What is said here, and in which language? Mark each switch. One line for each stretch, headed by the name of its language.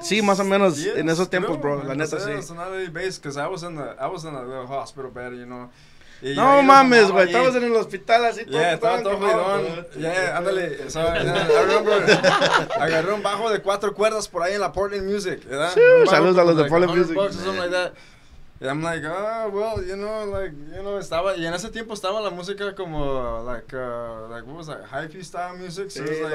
Spanish: Sí, más o menos, yes, en esos tiempos, bro, la neta, sí.
English: Because I was in the little hospital bed, you know.
Spanish: No mames, güey, estabas en el hospital así todo. Yeah, estaba todo jodidón. Yeah, ándale. So, yeah, I remember, agarré un bajo de cuatro cuerdas por ahí en la Portland Music, ¿verdad? Sí, saludos a los de Portland Music.
English: Or something like that. And I'm like, oh, well, you know, estaba, y en ese tiempo estaba la música como, like, what was that, hype style music, so it's like,